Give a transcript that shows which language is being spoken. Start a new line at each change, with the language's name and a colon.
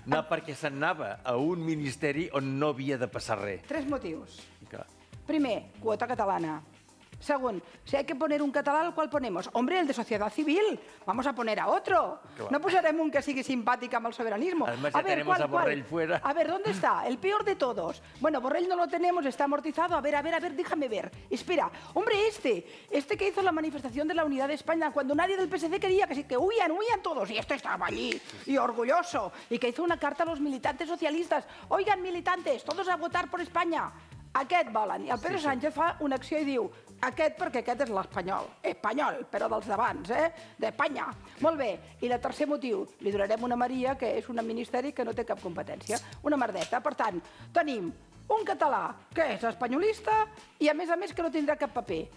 Catalan: Perquè s'anava a un ministeri on no havia de passar res. Tres motius. Que... Primer, quota catalana. Segon,
Spanish: si hay que poner un català, ¿al cual ponemos? Hombre, el de Sociedad Civil, vamos a poner a otro.
Catalan: Clar. No posarem un que sigui simpàtic amb el soberanismo.
Spanish: Además, ya tenemos a Borrell fuera. A ver, ¿dónde está? El peor de todos. Bueno, Borrell no lo tenemos, está amortizado. A ver, déjame ver. Espera, hombre, este que hizo la manifestación de la Unidad de España cuando nadie del PSC quería que huían todos. Y este estaba allí, y orgulloso. Y que hizo una carta a los militantes socialistas. Oigan, militantes, todos a votar por España.
Catalan: Aquest volen. I el Pedro Sánchez fa una acció i diu aquest perquè aquest és l'espanyol. Espanyol, però dels d'abans, eh? D'Espanya. Molt bé. I el tercer motiu, li donarem una Maria, que és un ministeri que no té cap competència. Una merdeta. Per tant, tenim un català que és espanyolista i, a més, que no tindrà cap paper.